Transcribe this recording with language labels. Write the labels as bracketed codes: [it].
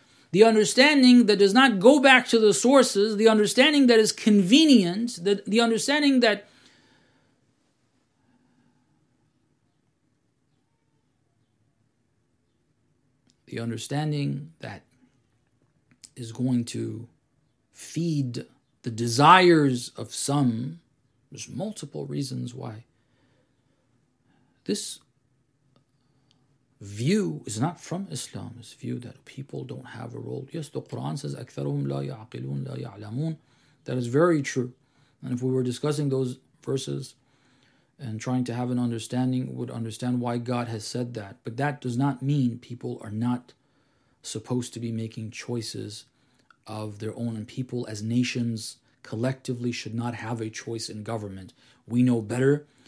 [en] the understanding that does not go back to the sources, the understanding that is convenient, the understanding that the understanding that is going to feed the desires of some. There's multiple reasons why this view is not from Islam. This view that people don't have a role. Yes, the Quran says, [ar] أَكْثَرُهُمْ لَا يَعْقِلُونَ لَا يَعْلَمُونَ. [en] That is very true. And if we were discussing those verses and trying to have an understanding, we would understand why God has said that. But that does not mean people are not supposed to be making choices of their own, and people as nations collectively should not have a choice in government. We know better.